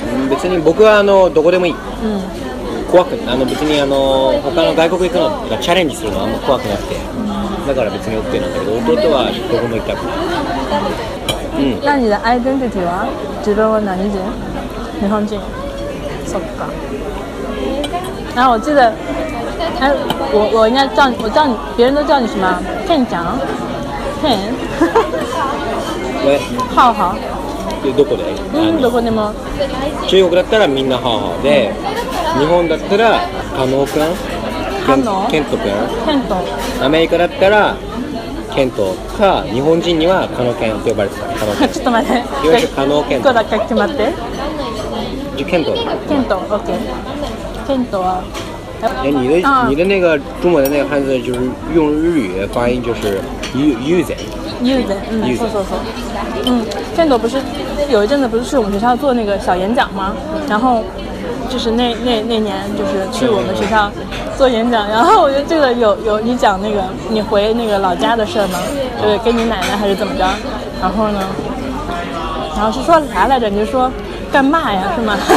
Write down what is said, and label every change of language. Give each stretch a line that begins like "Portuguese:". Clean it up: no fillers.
Japanese: 別に僕はどこでもいい。
Chinese: 嗯。
Japanese: 怖くない、別に他の外国行くのとかチャレンジするのあんま怖くなくて、だから別に OK なんだけど、弟はどこも行きたくない。うん。何でアイデンティティは自分は何人？日本人。そっか。
Chinese: あ、我记得、え、我应该叫你、我叫你、别人都叫你什么？
Japanese: 健ちゃん？健？え？ハオハオ。どこで？どこでも。中国だったらみんなハオハオで。日本だったらカノー君、ケント君、ケント。アメリカだったらケントか、日本人にはカノー君って呼ばれてた。カノー君。ちょっと待って。よし、カノー君。どこだっけ、決まって。じゃケント。ケント、オッケー。ケントは。
Chinese: え、你的那个中文的那个汉字就是用日语发音就是
English: use it。 use it。
Japanese: そうそうそう。
Chinese: ケント不是有一阵子不是去我们学校做那个小演讲吗？然后。就是那年就是去我们学校做演讲，然后我就记得有你讲那个你回那个老家的事吗？就是跟你奶奶还是怎么着，然后呢，然后是说啥来着，你就说干嘛呀是吗？